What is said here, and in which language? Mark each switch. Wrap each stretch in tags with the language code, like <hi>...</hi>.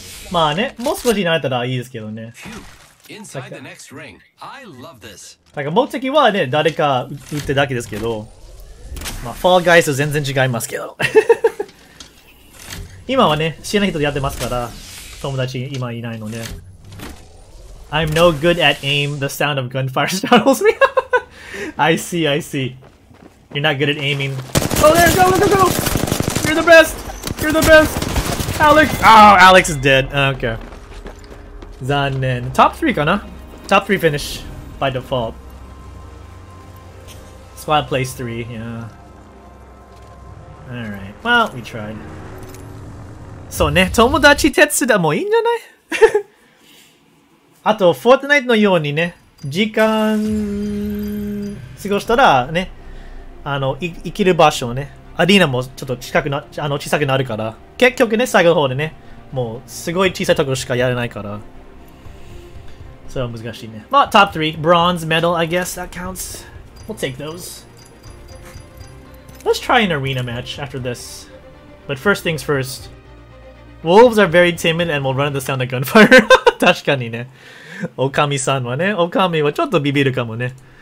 <ja>まあね、もう少し慣れたらいいですけどね。</ja> <en>Inside the next ring. I love this.</en> <ja>なんか目的はね、誰か撃ってだけですけど、まあ、Fall Guys と全然違いますけど。今はね、知らない人とやってますから、友達今いないので。</ja> <en>I'm no good at aim, the sound of gunfire startles me. I see, I see. You're not good at aiming. Oh, there, go, go, go! You're the best! You're the best! Alex! Oh, Alex is dead. Okay. 残念。 Top 3かな ?Top 3 finish by default. Squad plays 3, yeah. Alright, well, we tried.</en> <ja>そうね、友達手伝もいいんじゃない?あと、Fortnite のようにね、時間過ごしたらね、あの、生きる場所ね、アリーナもちょっと近くな、あの、小さくなるから、結局ね、最後の方でね、もうすごい小さいところしかやれないから、So, 難しいね。</ja> <en>まあ、top 3. Bronze, metal, I guess that counts. We'll take those. Let's try an arena match after this. But first things first. Wolves are very timid and will run at the sound of gunfire.</en> <ja>確かにね。オカミさんはね。オカミはちょっとビビるかもね。</ja>